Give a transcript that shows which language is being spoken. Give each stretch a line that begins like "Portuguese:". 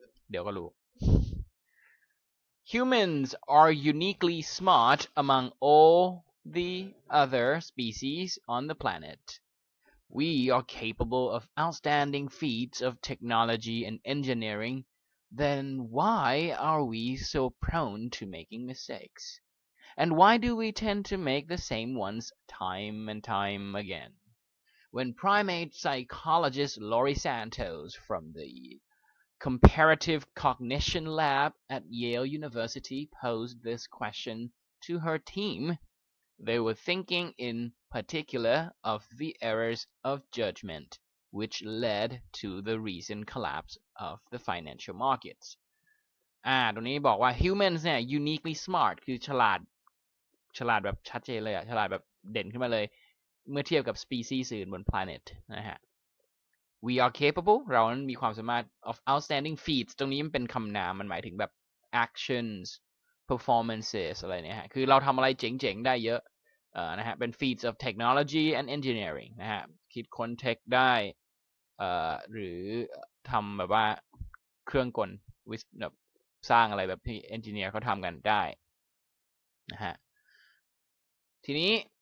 Thai: เดี๋ยวก็รู้
English: humans are uniquely smart among all the other species on the planet we are capable of outstanding feats of technology and engineering then why are we so prone to making mistakesAnd why do we tend to make the same ones time and time again? When primate psychologist Laurie Santos from the Comparative Cognition Lab at Yale University posed this question to her team, they were thinking in particular of the errors of judgment, which led to the recent collapse of the financial markets.
Thai: ตรงนี้บอกว่า humans เนี่ย
English: uniquely smart
Thai: คือฉลาดแบบชัดเจนเลยอ่ะฉลาดแบบเด่นขึ้นมาเลยเมื่อเทียบกับสปีซีส์อื่นบน planet นะฮะ
English: we are capable
Thai: เรานั้นมีความสามารถ
English: of outstanding feats
Thai: ตรงนี้มันเป็นคำนามมันหมายถึงแบบ
English: actions performances
Thai: อะไรเนี่ยฮะคือเราทำอะไรเจ๋งๆได้เยอะนะฮะเป็น
English: feats of technology and engineering
Thai: นะฮะคิดค้นเทคได้หรือทำแบบว่าเครื่องกลแบบสร้างอะไรแบบที่ engineer เขาทำกันได้นะฮะทีนี้